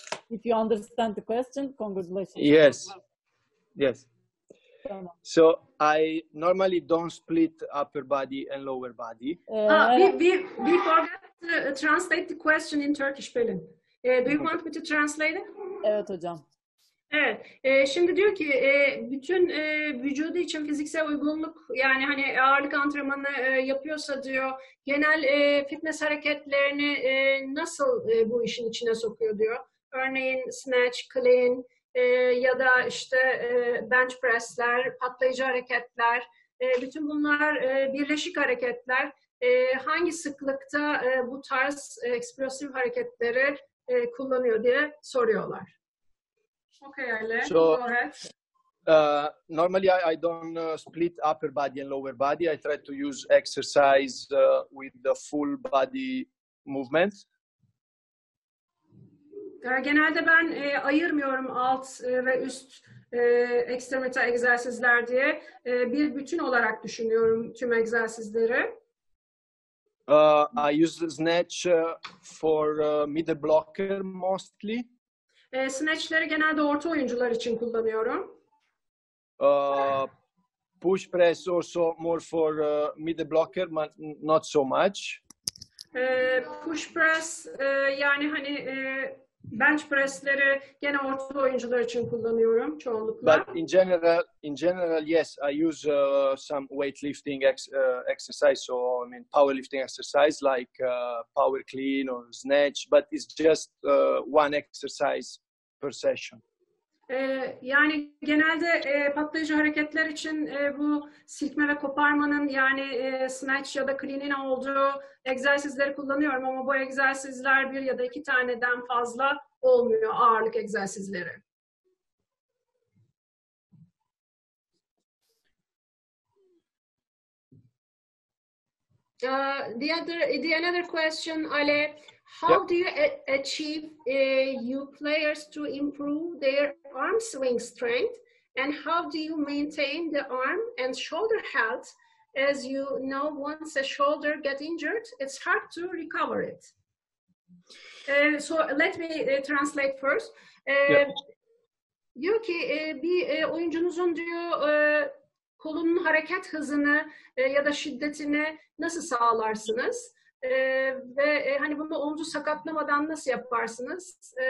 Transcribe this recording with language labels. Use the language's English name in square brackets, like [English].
[English] If you understand the question, congratulations. Yes. Yes. So I normally don't split upper body and lower body. We forgot to translate the question in Turkish, Pelin. Do you want me to translate it? [Turkish] Evet hocam. Evet. Şimdi diyor ki bütün vücudu için fiziksel uygunluk, yani hani ağırlık antrenmanı yapıyorsa diyor, genel fitness hareketlerini nasıl bu işin içine sokuyor diyor. Örneğin snatch, clean, ya da işte bench press'ler, patlayıcı hareketler, bütün bunlar birleşik hareketler. Hangi sıklıkta bu tarz eksplosif hareketleri kullanıyor diye soruyorlar. [English] Okay, Ale, so, go ahead. Normally I don't split upper body and lower body. I try to use exercise with the full body movements. [Turkish] Genelde ben ayırmıyorum alt ve üst ekstremite egzersizler diye. Bir bütün olarak düşünüyorum tüm egzersizleri. [English] I use the snatch for middle blocker mostly. [Turkish] Snatch'leri genelde orta oyuncular için kullanıyorum. [English] Push press also more for middle blocker, but not so much. [Turkish] Push press yani hani... bench press'leri gene orta oyuncular için kullanıyorum çoğunlukla. [English] But in general yes, I use some weightlifting exercise, so I mean powerlifting exercise like power clean or snatch, but it's just one exercise per session. [Turkish] Yani genelde patlayıcı hareketler için bu silkme ve koparmanın, yani snatch ya da clean'in olduğu egzersizleri kullanıyorum, ama bu egzersizler bir ya da iki taneden fazla olmuyor, ağırlık egzersizleri. [English] The other question, Ale, how do you achieve your players to improve their arm swing strength, and how do you maintain the arm and shoulder health? As you know, once a shoulder get injured, it's hard to recover it. So let me translate first. [Turkish] Diyor ki bir oyuncunuzun diyor kolunun hareket hızını ya da şiddetini nasıl sağlarsınız? Ve hani bunu omuzu sakatlamadan nasıl yaparsınız?